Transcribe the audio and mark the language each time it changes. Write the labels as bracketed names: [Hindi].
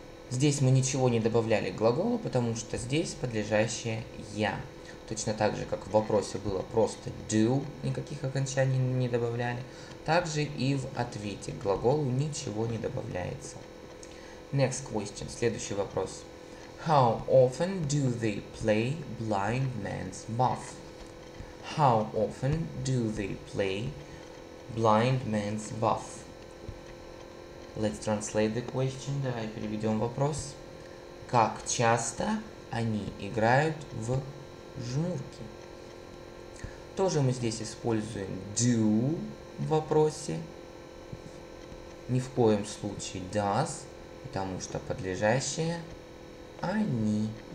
[Russian] Здесь мы ничего не добавляли к глаголу, потому что здесь подлежащее «я». Точно так же, как в вопросе было просто «do», никаких окончаний не добавляли, так же и в ответе к глаголу ничего не добавляется. [English] Next question, [Russian] следующий вопрос. [English] How often do they play blind man's buff? How often do they play blind man's buff? Let's translate the question. [Russian] Давай переведем вопрос. Как часто они играют в жмурки? Тоже мы здесь используем do в вопросе. Ни в коем случае does, потому что подлежащее они.